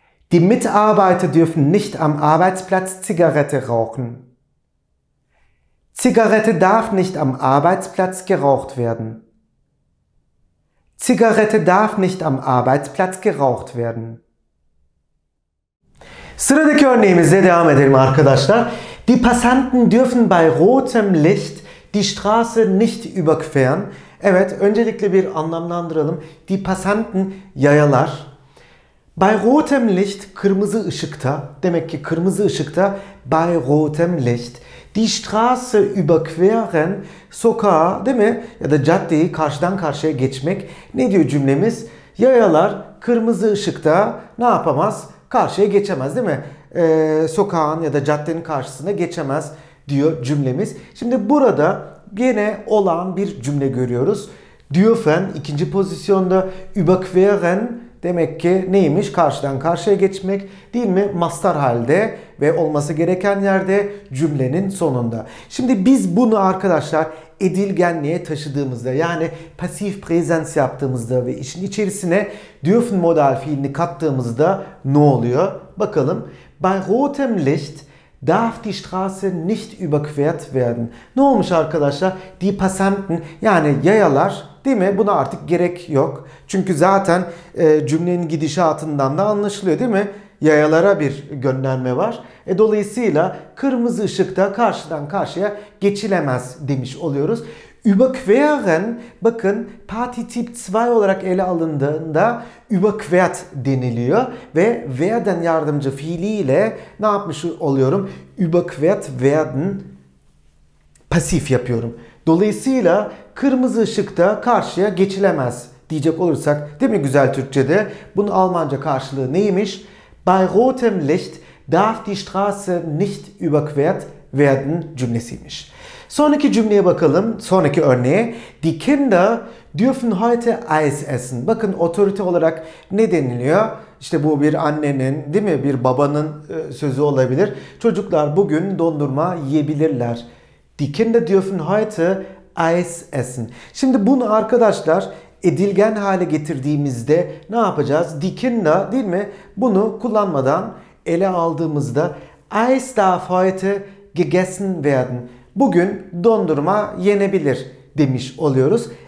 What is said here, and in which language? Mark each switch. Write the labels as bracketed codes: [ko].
[de] Die Mitarbeiter dürfen nicht am Arbeitsplatz Zigarette rauchen. Zigarette darf nicht am Arbeitsplatz geraucht werden. Zigarette darf nicht am Arbeitsplatz geraucht werden. [tr] Sıradaki örneğimize devam edelim arkadaşlar. [de] Die Passanten dürfen bei rotem Licht die Straße nicht überqueren. [tr] Evet, öncelikle bir anlamlandıralım. [de] Die Passanten, [tr] yayalar. [de] Bei rotem Licht, [tr] kırmızı ışıkta. Demek ki kırmızı ışıkta. [de] Bei rotem Licht. Die Straße überqueren, [tr] sokağı, değil mi? Ya da caddeyi karşıdan karşıya geçmek. Ne diyor cümlemiz? Yayalar kırmızı ışıkta ne yapamaz? Karşıya geçemez, değil mi? Sokağın ya da caddenin karşısına geçemez diyor cümlemiz. Şimdi burada gene olağan bir cümle görüyoruz. Dürfen ikinci pozisyonda, überqueren demek ki neymiş? Karşıdan karşıya geçmek, değil mi? Mastar halde ve olması gereken yerde, cümlenin sonunda. Şimdi biz bunu arkadaşlar edilgenliğe taşıdığımızda, yani pasif prezens yaptığımızda ve işin içerisine dürfen modal fiilini kattığımızda ne oluyor? Bakalım. [de] Bei rotem Licht darf die Straße nicht überquert werden. [tr] Ne olmuş arkadaşlar? [de] Die Passanten, [tr] yani yayalar, değil mi? Buna artık gerek yok. Çünkü zaten cümlenin gidişatından da anlaşılıyor, değil mi? Yayalara bir gönderme var. Dolayısıyla kırmızı ışıkta karşıdan karşıya geçilemez demiş oluyoruz. Überqueren, bakın, Partizip 2 olarak ele alındığında überquert deniliyor. Ve werden yardımcı fiiliyle ne yapmış oluyorum? [de] Überquert werden [tr] pasif yapıyorum. Dolayısıyla kırmızı ışıkta karşıya geçilemez diyecek olursak, değil mi güzel Türkçe'de? Bunun Almanca karşılığı neymiş? [de] Bei rotem Licht darf die Straße nicht überquert werden [tr] cümlesiymiş. Sonraki cümleye bakalım. Sonraki örneğe. [de] Die Kinder dürfen heute Eis essen. [tr] Bakın otorite olarak ne deniliyor? İşte bu bir annenin, değil mi? Bir babanın sözü olabilir. Çocuklar bugün dondurma yiyebilirler. [de] Die Kinder dürfen heute Eis essen. [tr] Şimdi bunu arkadaşlar edilgen hale getirdiğimizde ne yapacağız? [de] Die Kinder, [tr] değil mi? Bunu kullanmadan ele aldığımızda [de] Eis darf heute gegessen werden. [tr] Bugün dondurma yenebilir demiş oluyoruz.